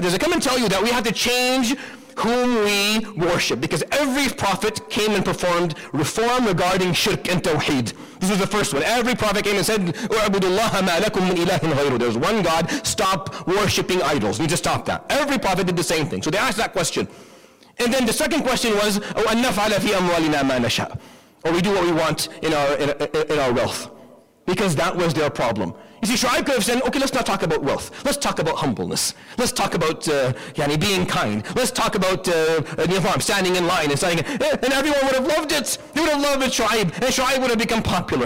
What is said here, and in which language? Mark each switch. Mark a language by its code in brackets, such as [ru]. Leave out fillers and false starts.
[en] Does it come and tell you that we have to change whom we worship? Because every prophet came and performed reform regarding shirk and tawheed. This is the first one. Every prophet came and said, [ar] U'abudu Allah ma lakum min ilahin ghayru. [en] There's one God, stop worshipping idols. You need to stop that. Every prophet did the same thing. So they asked that question. And then the second question was, [ar] أَوْ أَنَّ فَعَلَ فِي أَمْوَالِنَا مَا نَشَاءَ. [en] Or we do what we want in our wealth. Because that was their problem. You see, Shu'aib could have said, okay, let's not talk about wealth. Let's talk about humbleness. Let's talk about being kind. Let's talk about Nizam, standing in line and standing in line. And everyone would have loved it. They would have loved it, Shu'aib. And Shu'aib would have become popular.